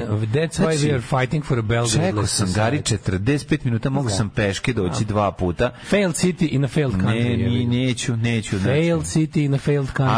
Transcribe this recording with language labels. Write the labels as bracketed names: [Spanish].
[English] That's why we are fighting for a Belgian. [Serbian] Čekao sam gari 45 minuta, mogu sam peške doći dva puta. [English] Failed city in a failed country. [Serbian] Neću. [English] Failed city in a failed country.